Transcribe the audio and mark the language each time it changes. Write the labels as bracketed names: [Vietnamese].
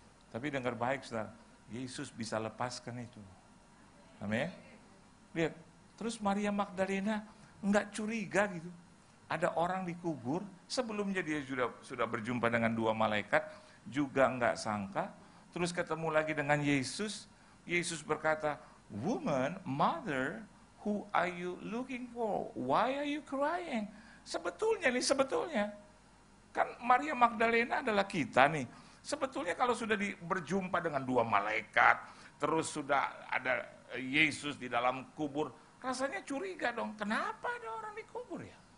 [Indonesian] Tapi dengar baik, saudara, Yesus bisa lepaskan itu. Amin. Lihat, terus Maria Magdalena enggak curiga gitu. Ada orang dikubur, sebelumnya dia sudah berjumpa dengan dua malaikat, juga enggak sangka, terus ketemu lagi dengan Yesus. Yesus berkata, [English] Woman, mother, who are you looking for? Why are you crying? [Indonesian] Sebetulnya, kan Maria Magdalena adalah kita nih. Sebetulnya kalau sudah berjumpa dengan dua malaikat, terus sudah ada Yesus di dalam kubur, rasanya curiga dong, kenapa ada orang dikubur ya?